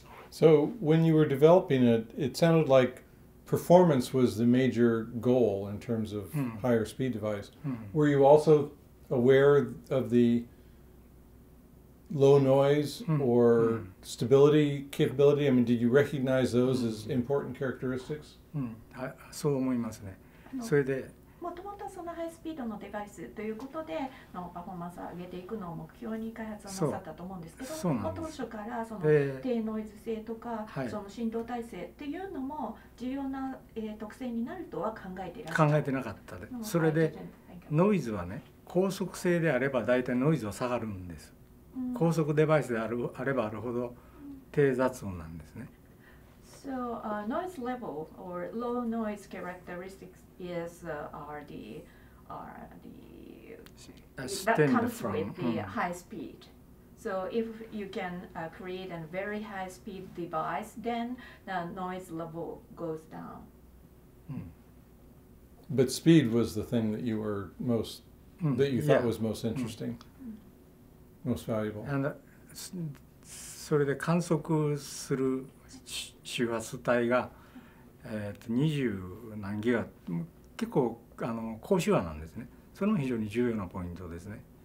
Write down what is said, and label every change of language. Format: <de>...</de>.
<en>So when you were developing it, it sounded like performance was the major goal in terms of higher speed device. Were you also aware of the low noise or stability capability? I mean, did you recognize those as important characteristics?</en> <ja>そう思いますね。それで、もともとそのハイスピードのデバイスということでのパフォーマンスを上げていくのを目標に開発をなさったと思うんですけど、そうなんです。当初からその低ノイズ性とか、その振動耐性っていうのも重要な特性になるとは考えていらっしゃる。考えてなかったで。それで、ノイズはね、高速性であればだいたいノイズは下がるんです。高速デバイスであるあればあるほど低雑音なんですね。</ja> <en>So noise level or low noise characteristics is that comes with the high speed. So if you can create a very high speed device, then the noise level goes down. But speed was the thing that you were most that you thought was most interesting. Most valuable. And</en> <ja>それで観測する周波数帯が20何ギガ、結構高周波なんですね。それも非常に重要なポイントですね。</ja>